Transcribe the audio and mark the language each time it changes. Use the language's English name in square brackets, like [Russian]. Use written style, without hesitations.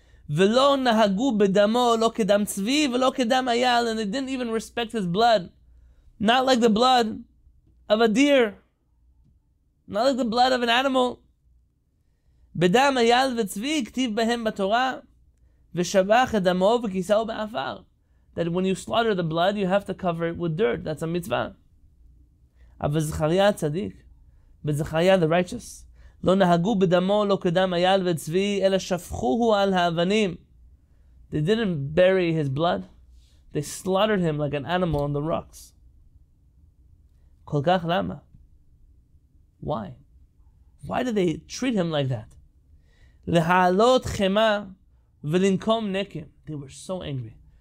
[Hebrew] ולא נהגו בדמו, לא כדם צבי ולא כדם אייל, [English] and they didn't even respect his blood. Not like the blood of a deer. Not like the blood of an animal. [Hebrew] בדם אייל וצבי כתיב בהם בתורה, ושבח את דמו וכיסהו באפר. [English] That when you slaughter the blood, you have to cover it with dirt. That's a mitzvah. [Hebrew] אבל זכריה צדיק, בזכריה [English] the righteous, [Hebrew] לא נהגו בדמו, לא כדם אייל וצבי, אלא שפכוהו על האבנים. [English] They didn't bury his blood. They slaughtered him like an animal on the rocks. [Hebrew] כל כך למה? [English] Why? Why did they treat him like that? [Hebrew] להעלות חמה ולנקום נקם. [English] They were so angry.